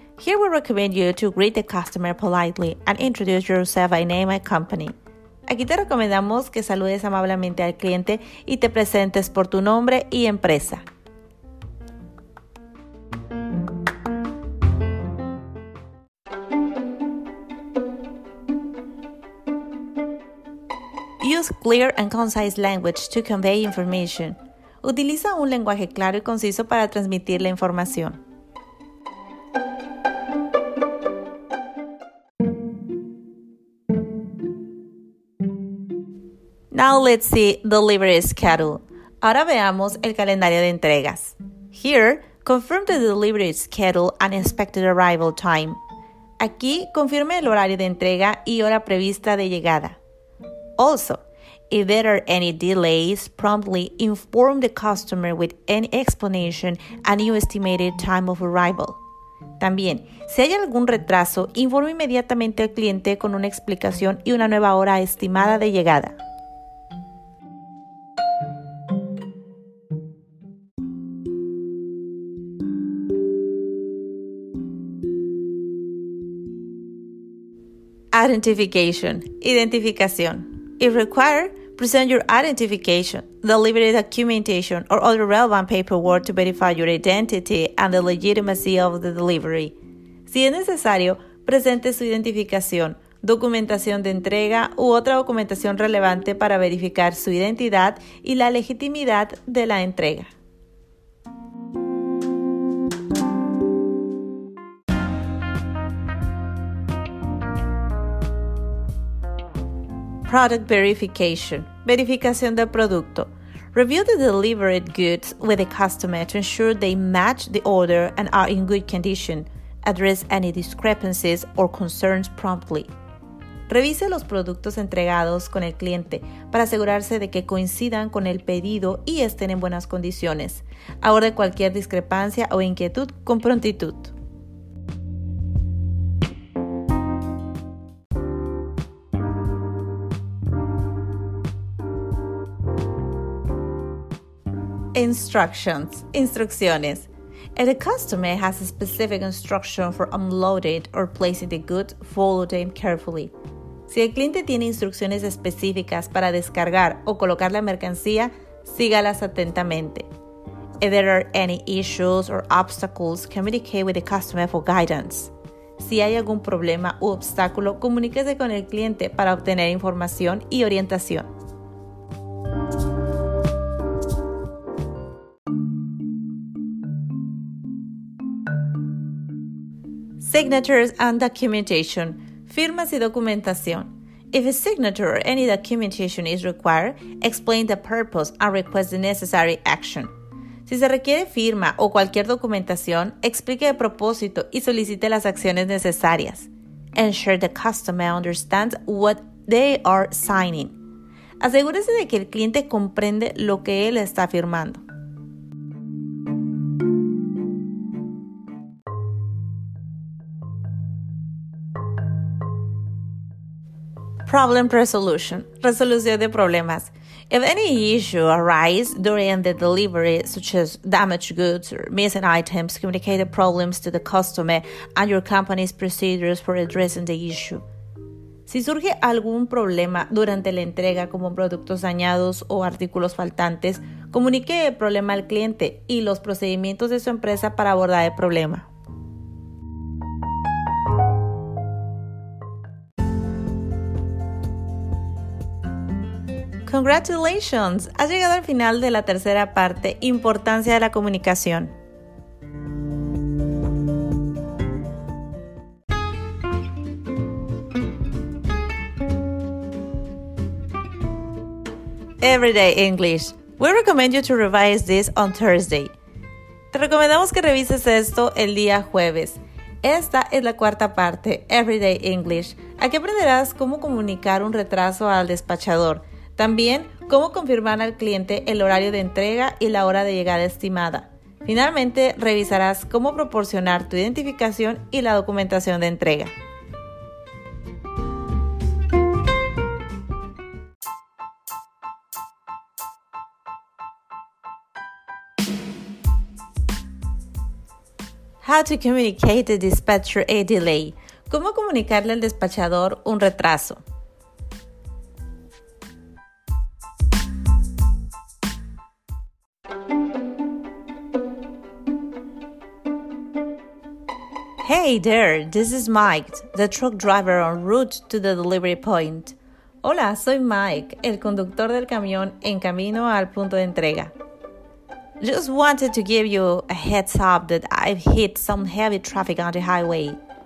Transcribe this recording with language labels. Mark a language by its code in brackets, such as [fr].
[en] Here we recommend you to greet the customer politely and introduce yourself by name and company. [es] Aquí te recomendamos que saludes amablemente al cliente y te presentes por tu nombre y empresa. [en] Use clear and concise language to convey information. [es] Utiliza un lenguaje claro y conciso para transmitir la información. [en] Now let's see delivery schedule. [es] Ahora veamos el calendario de entregas. [en] Here, confirm the delivery schedule and expected arrival time. [es] Aquí, confirme el horario de entrega y hora prevista de llegada. [en] Also, if there are any delays, promptly inform the customer with any explanation and new estimated time of arrival. [es] También, si hay algún retraso, informe inmediatamente al cliente con una explicación y una nueva hora estimada de llegada. [en] Identification. [es] Identificación. [en] If required, present your identification, delivery documentation, or other relevant paperwork to verify your identity and the legitimacy of the delivery. [es] Si es necesario, presente su identificación, documentación de entrega u otra documentación relevante para verificar su identidad y la legitimidad de la entrega. [en] Product verification. [es] Verificación del producto. [en] Review the delivered goods with the customer to ensure they match the order and are in good condition. Address any discrepancies or concerns promptly. [es] Revise los productos entregados con el cliente para asegurarse de que coincidan con el pedido y estén en buenas condiciones. Aborde cualquier discrepancia o inquietud con prontitud. [en] Instructions. If the customer has a specific instruction for unloading or placing the goods, follow them carefully. [es] Si el cliente tiene instrucciones específicas para descargar o colocar la mercancía, sígalas atentamente. [en] If there are any issues or obstacles, communicate with the customer for guidance. [es] Si hay algún problema u obstáculo, comuníquese con el cliente para obtener información y orientación. [en] Signatures and documentation. [es] Firmas y documentación. [en] If a signature or any documentation is required, explain the purpose and request the necessary action. [es] Si se requiere firma o cualquier documentación, explique el propósito y solicite las acciones necesarias. [en] Ensure the customer understands what they are signing. [es] Asegúrese de que el cliente comprende lo que él está firmando. [en] Problem resolution. [es] Resolución de problemas. [en] If any issue arises during the delivery, such as damaged goods or missing items, communicate the problems to the customer and your company's procedures for addressing the issue. [es] Si surge algún problema durante la entrega, como productos dañados o artículos faltantes, comunique el problema al cliente y los procedimientos de su empresa para abordar el problema. [en] Congratulations! [es] Has llegado al final de la tercera parte, Importancia de la Comunicación. [en] Everyday English. We recommend you to revise this on Thursday. [es] Te recomendamos que revises esto el día jueves. Esta es la cuarta parte, Everyday English. Aquí aprenderás cómo comunicar un retraso al despachador. También, cómo confirmar al cliente el horario de entrega y la hora de llegada estimada. Finalmente, revisarás cómo proporcionar tu identificación y la documentación de entrega. [en] How to communicate the dispatcher a delay. [es] ¿Cómo comunicarle al despachador un retraso? [en] Hey there, this is Mike, the truck driver en route to the delivery point. [es] Hola, soy Mike, el conductor del camión en camino al punto de entrega. [en] Just wanted to give you a heads up that I've hit some heavy traffic on the highway.